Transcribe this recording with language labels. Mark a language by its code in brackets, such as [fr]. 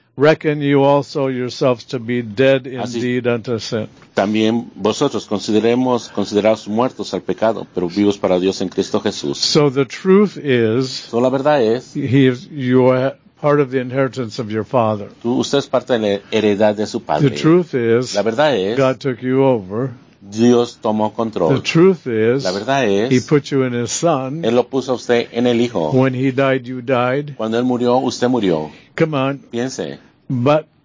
[en] Reckon you also yourselves to be dead indeed [es] así, [en] unto sin. [es] También vosotros consideraos muertos al pecado, pero vivos para Dios en Cristo Jesús. [en] So the truth is, [es] so la verdad es, [en] you are part of the inheritance of your father. [es] Usted es parte de la heredad de su padre. [en] The truth is, [es] la verdad es, [en] God took you over. [es] Dios tomó control. [en] The truth is, [es] la verdad es, [en] he put you in his son. [es] Él lo puso a usted en el hijo. [en] When he died, you died. [es] Cuando él murió, usted murió. [en] Come on. [es] Piense. [en] But